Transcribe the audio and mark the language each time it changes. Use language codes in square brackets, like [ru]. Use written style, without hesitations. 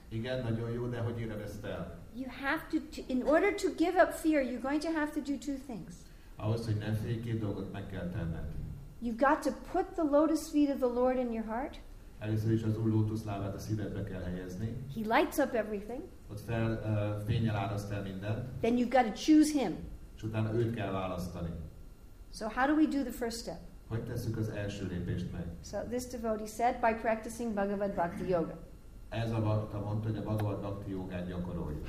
[hu] Igen, nagyon jó, de hogy érem ezt el? [en] You have to, in order to give up fear, you're going to have to do 2 things. [hu] Ahhoz, hogy ne félj, két dolgot meg kell tenned. [en] You've got to put the lotus feet of the Lord in your heart. [hu] Először is az Úr lótuszlábát a szívedbe kell helyezni. [en] He lights up everything. [hu] Ott fel, fénnyel áraszt el mindent. [en] Then you've got to choose him. [hu] És utána őt kell választani. [en] So how do we do the first step? [hu] Hogy tesszük az első lépést meg? [en] So this devotee said, by practicing Bhagavad Bhakti Yoga. [hu] Ez a bhakta mondta, hogy a Bhagavad Bhakti Yogát gyakoroljuk.